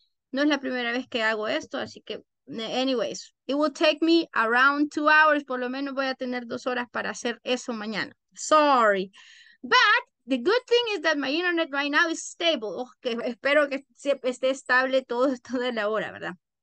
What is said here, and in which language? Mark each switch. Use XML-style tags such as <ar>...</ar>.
<es>No es la primera vez que hago esto, así que,</es> <en>anyways, it will take me around 2 hours,</en> <es>por lo menos voy a tener 2 horas para hacer eso mañana.</es> <en>Sorry, but the good thing is that my internet right now is stable.</en> <es>Oh, que espero que esté estable todo esto de la hora, ¿verdad?</es>